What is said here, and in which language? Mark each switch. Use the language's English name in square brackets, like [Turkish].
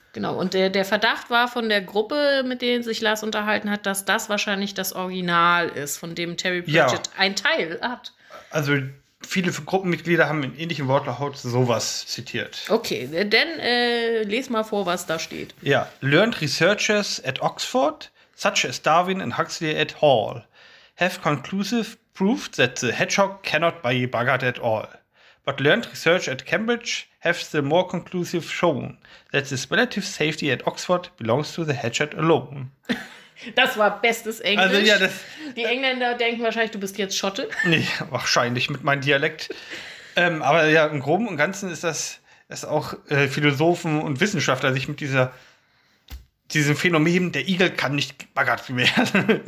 [German] Genau, und der Verdacht war von der Gruppe, mit denen sich Lars unterhalten hat, dass das wahrscheinlich das Original ist, von dem Terry Pratchett Ja. ein Teil hat. Also viele Gruppenmitglieder haben in ähnlichem Wortlaut sowas zitiert. Okay, dann les mal vor, was da steht. [English] Ja, learned researchers at Oxford, such as Darwin and Huxley et al., have conclusive proved that the hedgehog cannot be buggered at all. But learned research at Cambridge has the more conclusive shown that this relative safety at Oxford belongs to the hedgehog alone. [German] Das war bestes Also ja, Englisch. das. Die Engländer denken wahrscheinlich, du bist jetzt Schotte. Nee, wahrscheinlich mit meinem Dialekt. Aber ja, im Groben und Ganzen ist das, dass auch Philosophen und Wissenschaftler sich mit diesem Phänomen, der Igel kann nicht baggert werden,